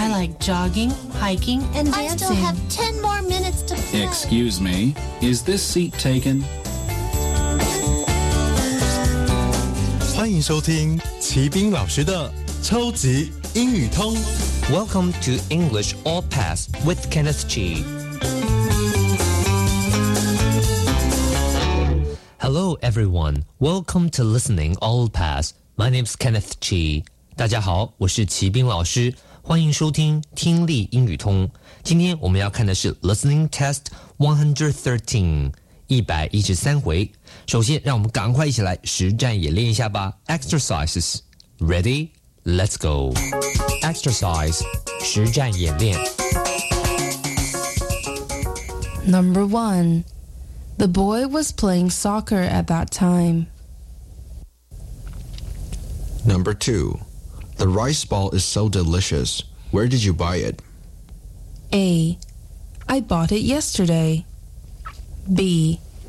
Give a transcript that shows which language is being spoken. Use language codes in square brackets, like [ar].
[en] I like jogging, hiking, and dancing. I still have 10 more minutes to play. Excuse me, is this seat taken? [zh] 欢迎收听齐宾老师的超级英语通。 [en] Welcome to English All Pass with Kenneth Chi. Hello, everyone. Welcome to Listening All Pass. My name is Kenneth Chi. [zh] 大家好，我是齐宾老师，欢迎收听听力英语通。今天我们要看的是 Listening Test 113, 113回。首先，让我们赶快一起来实战演练一下吧。 [en] Exercises, ready? Let's go. [zh] Exercise, 实战演练 [en] Number one, the boy was playing soccer at that time. Number two, the rice ball is so delicious. Where did you buy it? A. I bought it yesterday. B.